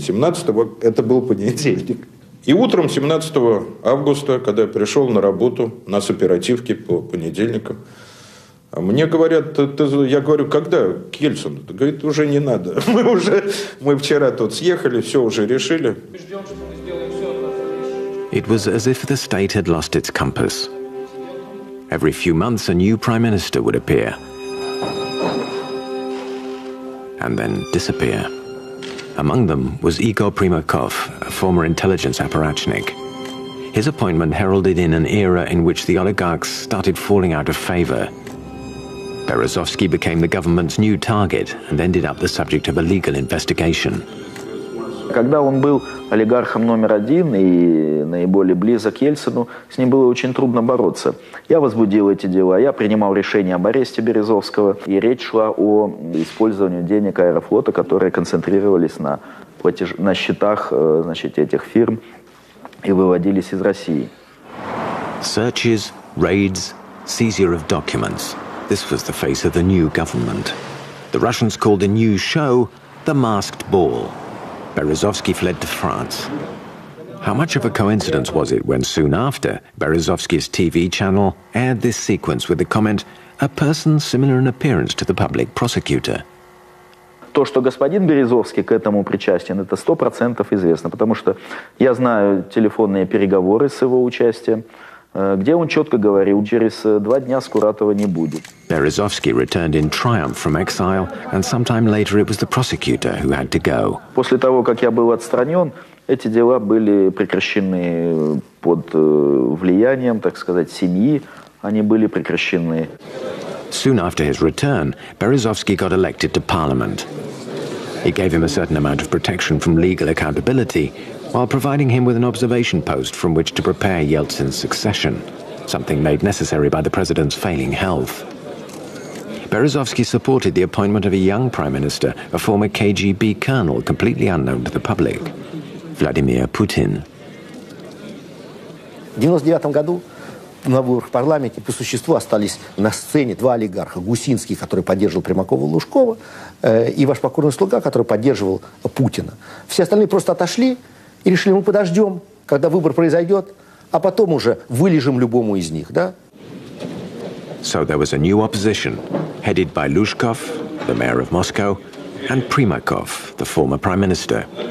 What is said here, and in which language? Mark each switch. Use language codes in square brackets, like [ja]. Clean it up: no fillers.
[ru] 17-го это был понедельник. И утром 17 августа, когда я пришел на работу, у нас оперативки по понедельникам, мне говорят, я говорю, когда к Ельцину? Говорит, уже не надо. Мы вчера тут съехали, все уже решили. [en] It was as if the state had lost its compass. Every few months a new prime minister would appear. And then disappear. Among them was Igor Primakov, a former intelligence apparatchnik. His appointment heralded in an era in which the oligarchs started falling out of favor. Березовский became the government's new target and ended up the subject of a legal investigation. [ru] Когда он был олигархом номер один и наиболее близок к Ельцину, с ним было очень трудно бороться. Я возбудил эти дела, я принимал решение об аресте Березовского, и речь шла о использовании денег Аэрофлота, которые концентрировались на счетах, значит, этих фирм и выводились из России. [en] Searches, raids, seizure of documents. This was the face of the new government. The Russians called the new show the Masked Ball. Березовский fled to France. How much of a coincidence was it when soon after Березовский's TV channel aired this sequence with the comment, a person similar in appearance to the public prosecutor? [ru] То, что господин Березовский к этому причастен, это 100% известно, потому что я знаю телефонные переговоры с его участием. Где он четко говорил, через два дня Скуратова не будет. [en] Березовский returned in triumph from exile, and sometime later it was the prosecutor who had to go. [ru] После того, как я был отстранен, эти дела были прекращены под влиянием, так сказать, семьи, они были прекращены. [en] Soon after his return, Березовский got elected to parliament. It gave him a certain amount of protection from legal accountability, while providing him with an observation post from which to prepare Yeltsin's succession, something made necessary by the president's failing health. Березовский supported the appointment of a young prime minister, a former KGB colonel, completely unknown to the public, Vladimir Putin. [ru] В 99 году на выборах в парламенте по существу остались на сцене два олигарха. Гусинский, который поддерживал Примакова и Лужкова, и ваш покорный слуга, который поддерживал Путина. Все остальные просто отошли и решили, мы подождем, когда выбор произойдет, а потом уже вылежим любому из них, да? [en] So there was a new opposition, headed by Lushkov, the mayor of Moscow, and Primakov, the former prime minister.